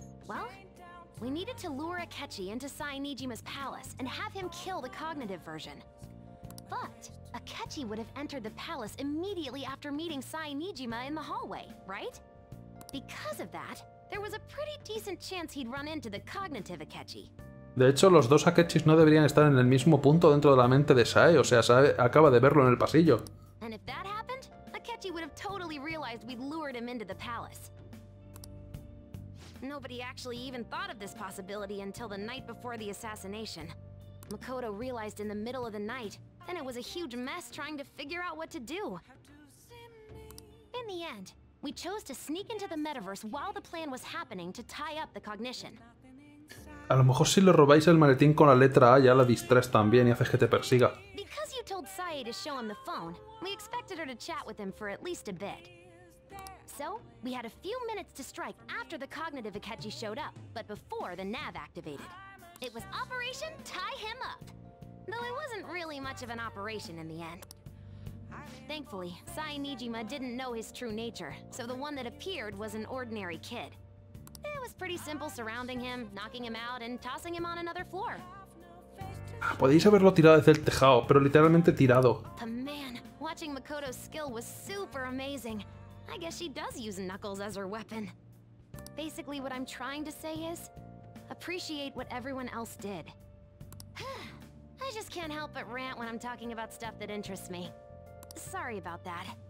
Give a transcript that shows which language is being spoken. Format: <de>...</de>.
<en>Well, we needed to lure Akechi into Sai Nijima's palace and have him kill the cognitive version. But Akechi would have entered the palace immediately after meeting Sai Nijima in the hallway, right? Because of that, there was a pretty decent chance he'd run into the cognitive Akechi.</en> <es>De hecho, los dos Akechis no deberían estar en el mismo punto dentro de la mente de Sai, o sea, Sai acaba de verlo en el pasillo.</es> <en>And if that happened, Akechi would have totally realized we'd lured him into the palace. Nobody actually even thought of this possibility until the night before the assassination. Makoto realized in the middle of the night, and it was a huge mess trying to figure out what to do. In the end, we chose to sneak into the metaverse while the plan was happening to tie up the cognition.</en> <es>A lo mejor si le robáis el maletín con la letra A, ya la distraes también y haces que te persiga.</es> <en>Because you told Sae to show him the phone, we expected her to chat with him for at least a bit. So, we had a few minutes to strike after the cognitive Akechi showed up, but before the nav activated. It was Operation Tie Him Up. Though it wasn't really much of an operation in the end. Thankfully, Sai Nijima didn't know his true nature, so the one that appeared was an ordinary kid. It was pretty simple surrounding him, knocking him out, and tossing him on another floor.</en> <es>Podéis haberlo tirado desde el tejado, pero literalmente tirado.</es> <en>The man, watching Makoto's skill was super amazing. I guess she does use knuckles as her weapon. Basically, what I'm trying to say is, appreciate what everyone else did. I just can't help but rant when I'm talking about stuff that interests me. Sorry about that.</en>